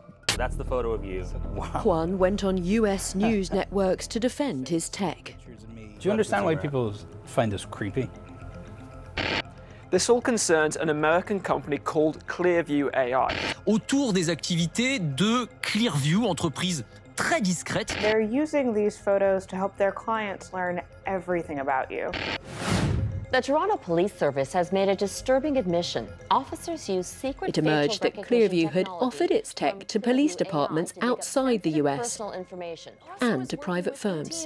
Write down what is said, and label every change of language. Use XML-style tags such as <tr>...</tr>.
<en>So that's the photo of you. Wow. Juan went on U.S. news networks to defend his tech. Do you understand why people find this creepy? This all concerns an American company called Clearview AI.</en> <fr>Autour des activités de Clearview, entreprise très discrète.</fr> <en>They're using these photos to help their clients learn everything about you. The Toronto Police Service has made a disturbing admission. Officers use secret. It emerged that Clearview had offered its tech to police departments outside the U.S. and to private firms.</en>